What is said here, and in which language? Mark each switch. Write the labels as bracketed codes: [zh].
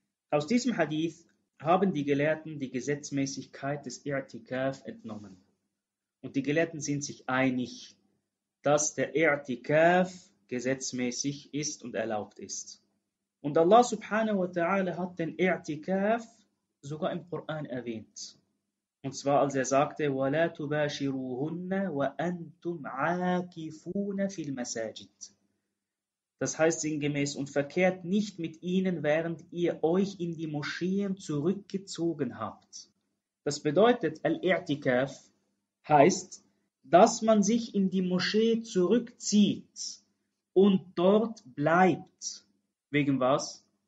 [de] Aus diesem Hadith haben die Gelehrten die Gesetzmäßigkeit des I'tikaf entnommen. Und die Gelehrten sind sich einig, dass der I'tikaf gesetzmäßig ist und erlaubt ist. Und Allah subhanahu wa ta'ala hat den I'tikaf sogar im Koran erwähnt. Und zwar als er sagte, [ar] وَلَا تُبَاشِرُوهُنَّ وَأَنْتُمْ عَاكِفُونَ فِي الْمَسَاجِدِ. [de] Das heißt sinngemäß, und verkehrt nicht mit ihnen, während ihr euch in die Moscheen zurückgezogen habt. Das bedeutet, Al-I'tikaf heißt, dass man sich in die Moschee zurückzieht und dort bleibt. Wegen was?